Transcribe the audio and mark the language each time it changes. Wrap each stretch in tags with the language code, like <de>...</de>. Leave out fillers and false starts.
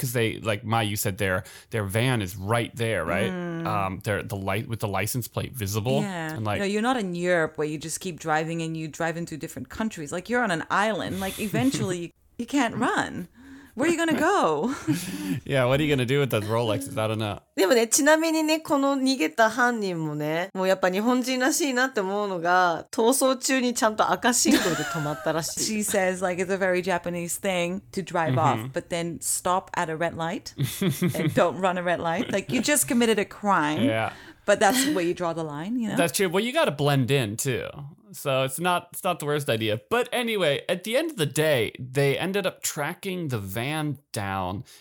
<en>Because they, like Mayu said, their van is right there, right? Mm. With the license plate visible. Yeah. And like, you know, you're not in Europe where you just keep driving and you drive into different countries. Like you're on an island. Like eventually you can't run. Where are you gonna go? Yeah, what are you gonna do with those Rolexes? I don't know.</en> <ja>でもね、ちなみにね、この逃げた犯人もね、もうやっぱ日本人らしいなって思うのが、逃走中にちゃんと赤信号で止まったらしい。</ja> <en>She says like it's a very Japanese thing to drive off, but then stop at a red light and don't run a red light. Like you just committed a crime. Yeah. But that's where you draw the line, you know? That's true. Well, you gotta blend in too. So it's not the worst idea. But anyway, at the end of the day, they ended up tracking the van down.</en>